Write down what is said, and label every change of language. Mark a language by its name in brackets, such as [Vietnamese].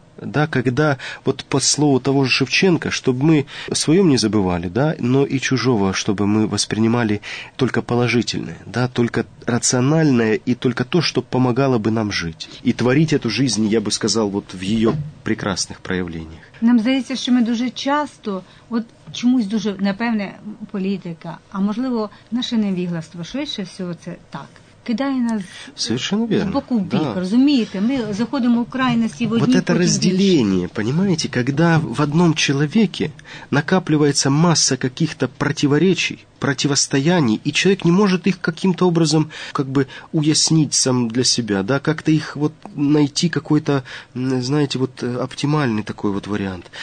[Russian] Да, когда, вот по слову того же Шевченко, чтобы мы о своем не забывали, да, но и чужого, чтобы мы воспринимали только положительное, да, только рациональное и только то, что помогало бы нам жить. И творить эту жизнь, я бы сказал, вот в ее прекрасных проявлениях. [Ukrainian] Нам здається, що ми дуже часто, от чомусь дуже, напевне, політика, а можливо, наше невігластво, швидше всього це так. Кидає нас [Russian] совершенно верно. [Ukrainian] С боку в бік, да. Розумієте? Ми заходимо в крайності в одній. [Russian] Вот это разделение, понимаете, когда в одном человеке накапливается масса каких-то противоречий, противостояний, и человек не может их каким-то образом как бы уяснить сам для себя, да, как-то их вот найти какой-то, знаете, вот оптимальный такой вот вариант.